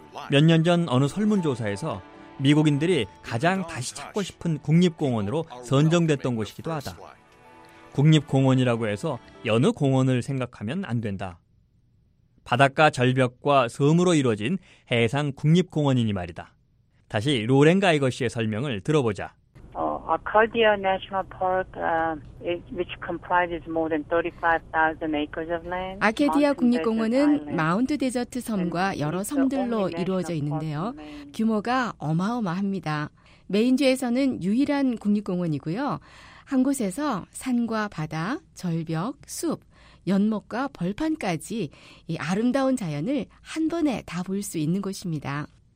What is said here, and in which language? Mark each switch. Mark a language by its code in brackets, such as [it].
[ko] 몇 년 전 어느 설문조사에서 미국인들이 가장 다시 찾고 싶은 국립공원으로 선정됐던 곳이기도 하다. 국립공원이라고 해서 여느 공원을 생각하면 안 된다. 바닷가 절벽과 섬으로 이루어진 해상 국립공원이니 말이다. 다시 로렌 가이거 씨의 설명을 들어보자. [en] Arcadia National Park, which comprises more than 35,000 acres of land. [ko] 아케디아 국립공원은 마운트 데저트 섬과 여러 섬들로 이루어져 있는데요. 규모가 어마어마합니다. 메인주에서는 유일한 국립공원이고요. 한 곳에서 산과 바다, 절벽, 숲, 연못과 벌판까지 이 아름다운 자연을 한 번에 다 볼 수 있는 곳입니다.